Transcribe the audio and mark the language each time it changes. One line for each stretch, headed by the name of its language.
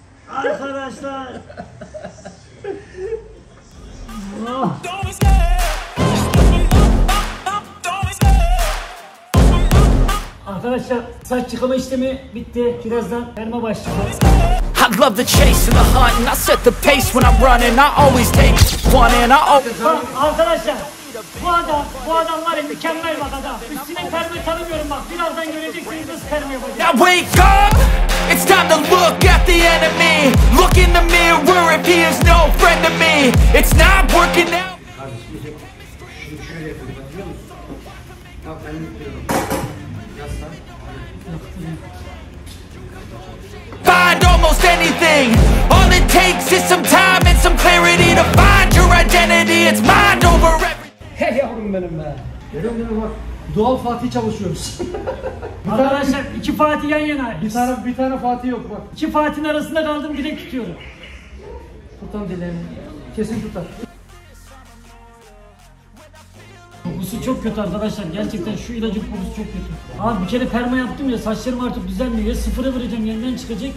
Turkish: Arkadaşlar saç çıkama işlemi bitti. Birazdan perma başlıyor.
English: I love the chase and the hunt and I set the pace when I'm running. I always take one and I always.
Turkish: Arkadaşlar Bu adam var ya, mükemmel bak adam. Üstüne perma tanımıyorum bak. Birazdan göreceksiniz perma yapacağım.
English: Now wake up! It's time to look at the enemy. Look in the mirror if he is no friend to me. It's not working now. Find almost anything. All it takes is some time and some clarity to find your identity. It's mind over everything.
Turkish: Hey yavrum benim be. Yavrum benim bak. Doğal Fatih çalışıyoruz. Arkadaşlar iki Fatih yan yana. Bir tane Fatih yok bak. İki Fatih'in arasında kaldım, bir de tutuyorum. Tutam dilerim. Kesin tutar. Kokusu çok kötü arkadaşlar. Gerçekten şu ilacın kokusu çok kötü. Abi bir kere perma yaptım ya, saçlarım artık düzelmiyor. Ya sıfıra vereceğim, yeniden çıkacak.